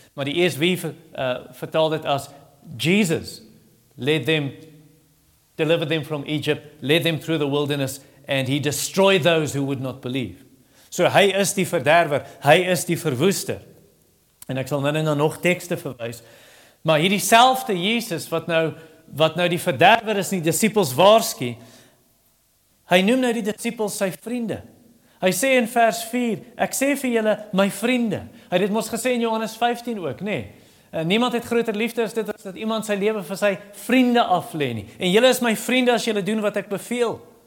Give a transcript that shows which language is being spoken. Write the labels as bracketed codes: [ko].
[af] Maar die ESV vertaal dit as [en] Jesus led them, delivered them from Egypt, led them through the wilderness, and he destroyed those who would not believe. [af] So hy is die verderwer, hy is die verwoester. En ek sal nou na nog tekste verwys, maar hierdie selfde Jesus, wat nou die verderwer is, die disciples waarsku, hy noem nou die disciples sy vriende. Hy sê in vers 4, ek sê vir julle, my vriende. Hy het ons gesê in Johannes 15 ook, nee. Niemand het groter liefde as dit, as dat iemand sy lewe vir sy vriende aflê nie. En julle is my vriende as julle doen wat ek beveel.